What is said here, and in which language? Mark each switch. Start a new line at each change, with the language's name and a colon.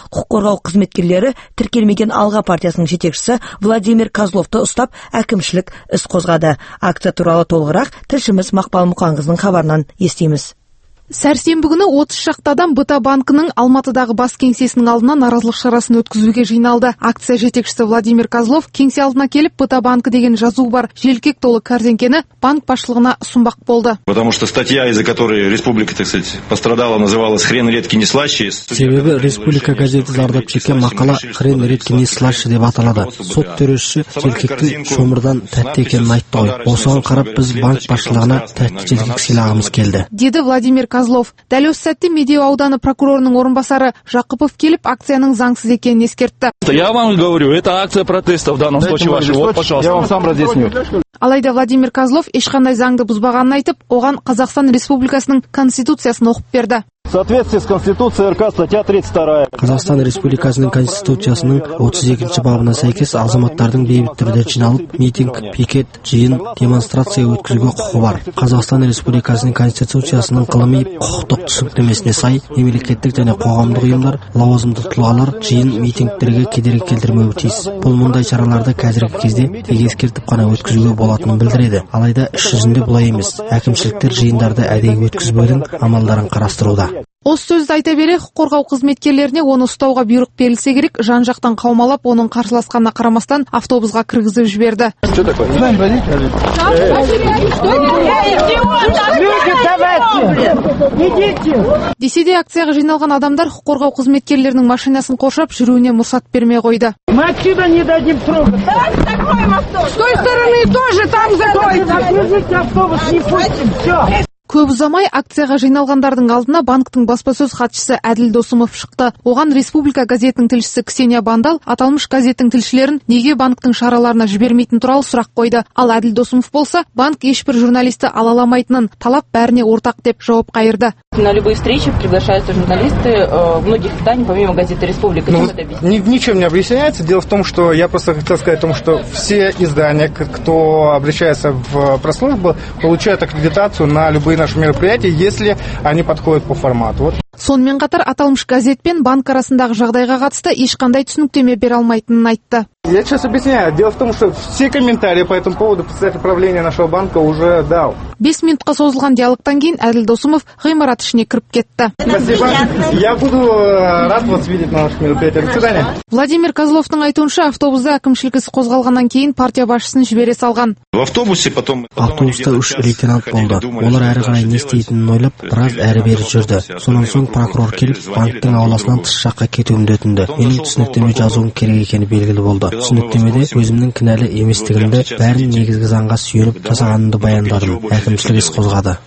Kazakh: Құқық қорғау қызметкерлері тіркелмеген Алға партиясының жетекшісі Владимир Козловты ұстап әкімшілік іс қозғады. Акция туралы толығырақ тілшіміз Мақпал Мұқанқызының хабарынан естейміз. Сәрсенбі күні 30 шақты адам БТА банкінің Алматыдағы бас кеңсесінің алдына наразылық шарасын өткізуге жиналды. Акция жетекшісі Владимир Козлов кеңсе алдына келіп БТА банкі деген жазу бар желкек толы корзинкені банк басшылығына сұнбақ болды.
Russian: Потому что статья, из-за которой республика, так сказать, пострадала, называлась «Хрен редкий не слаще».
Kazakh: Себебі республика газеті зардап шеккен мақала
Russian: «Хрен редкий не слаще»
Kazakh: деп аталады. Сот төреші желкектің шомырдан тәтті екенін айтты ғой. Осыған қарап біз банк басшылығына тәтті желкек сыйлағымыз келді. Деді Владимир Козлов. Дәл осы сәтте Медеу ауданы прокурорының орынбасары Жақыпов келіп акцияның заңсыз екенін ескертті.
Russian: Я вам говорю, это акция протеста в данном случае вашей. Вот, пожалуйста. Я вам сам разъясню.
Kazakh: Алайда Владимир Козлов ешқандай заңды бұзбағанын айтып, оған Қазақстан Республикасының конституциясын оқып берді.
Russian: В соответствии с Конституцией РК, статья 32.
Kazakh: Қазақстан Республикасының конституциясының 32-ші бабына сәйкес азаматтардың бейбіт түрде жиналып, митинг, пикет, жиын, демонстрация өткізуге құқы бар. Қазақстан Республикасының конституциясының ғылыми құқықтық түсініктемесіне сай, мемлекеттік және қоғамдық ұйымдар, лауазымды тұлғалар жиын, митингтерге кедергі келтірмеуі тиіс. Бұл мұндай шараларды қазіргі кезде тек ескертіп қана өткізуге болатынын білдіреді. Алайда іс жүзінде бұлай емес. Әкімшіліктер жиындарды әдейі өткізбеудің амалдарын қарастыруда. Осы сөзді айта бере, құқық қорғау қызметкерлеріне оны ұстауға бұйрық берілсе керек, жан-жақтан қаумалап, оның қарсыласқанына қарамастан автобусқа кіргізіп жіберді. Десе де акцияға жиналған адамдар құқық қорғау қызметкерлерінің машинасын қоршап, жүруіне мұрсат бермей қойды.
Russian: Мы отсюда не дадим трогать. С той стороны тоже там закройте.
Kazakh: Көп ұзамай акцияға жиналғандардың алдына банктың баспасөз хатшысы Әділ Досымов шықты. Оған Республика газетінің тілшісі Ксения Бандал аталмыш газеттің тілшілерін неге банктың шараларына жібермейтін туралы сұрақ қойды. Ал Әділ Досымов болса, банк ешбір журналисті алаламайтынын талап бәріне ортақ деп жауап қайырды.
Russian: На любые встречи приглашаются журналисты многих изданий, помимо газеты Республика. Ничем не объясняется. Дело в том, что я просто хотел сказать о том, что все издания, кто обращается в пресс-службу, получают аккредитацию на любые наши мероприятия, если они подходят по формату. Вот.
Kazakh: Сонымен қатар аталмыш газет пен банк арасындағы жағдайға қатысты ешқандай түсініктеме бере алмайтынын айтты.
Russian: Я сейчас объясняю. Дело в том, что все комментарии по этому поводу представитель правления нашего банка уже дал.
Kazakh: 5 минутқа созылған диалогтан кейін Әділ Досымов ғимарат ішіне кіріп кетті.
Russian: Спасибо. Я буду рад вас видеть на нашем мероприятии. До свидания.
Kazakh: Владимир Козловтың айтуынша, автобуста әкімшілік іс қозғалғаннан кейін партия басшысын жібере салған.
Russian: В автобусе потом
Kazakh: автобуста 3 лейтенант болды. Олар әрі қарай не істейтінін ойлап, біраз әрі-бері жүрді. Сонан соң прокурор келіп, банктің ауласынан тыс жаққа кетуімді өтінді. Менің түсініктеме жазуым керек екені белгілі болды. Түсініктемеде өзімнің кінәлі еместігімді, бәрін негізгі заңға сүйеніп жасағанымды баяндадым. Әкімшілік іс қозғады.